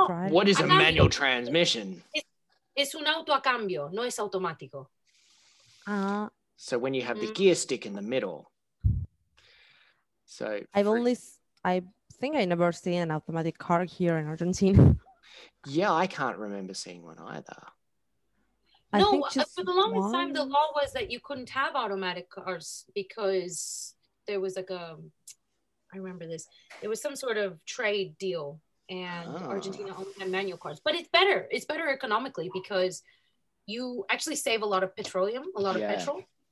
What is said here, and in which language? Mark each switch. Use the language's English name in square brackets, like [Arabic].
[English] What is a manual transmission? [Spanish] Es un auto a cambio, no es automático. [English] So when you have the gear stick in the middle. So I think I never see an automatic car here in Argentina. Yeah, I can't remember seeing one either. I think just for the longest time, the law was that you couldn't have automatic cars because there was like a, I remember this, it was some sort of trade deal and Argentina only had manual cars, but it's better economically because you actually save a lot of petroleum, a lot of petrol.